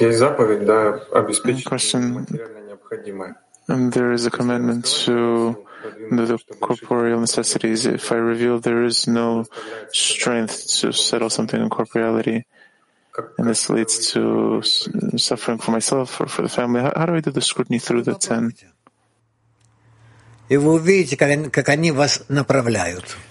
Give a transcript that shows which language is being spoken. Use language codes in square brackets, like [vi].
[ru] Есть заповедь, да, обеспечить материально необходимое. [en] And there is a commandment to the corporeal necessities. If I reveal there is no strength to settle something in corporeality, and this leads to suffering for myself or for the family, how do I do the scrutiny through the 10? [ru] И вы увидите, как они вас направляют.